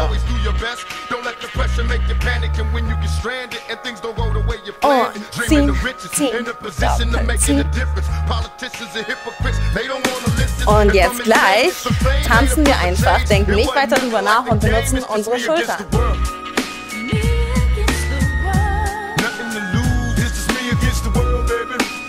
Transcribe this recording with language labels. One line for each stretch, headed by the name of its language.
English: Always do your best, don't let the pressure make you panic. And when you get stranded and things don't go the way you planned, dreaming the riches, in the position of making a difference. Politicians and hypocrites, they don't want to listen.
German: Und jetzt gleich tanzen wir einfach, denken nicht weiter drüber nach und benutzen unsere Schultern.
English: Nothing to lose, it's just me against the world, baby.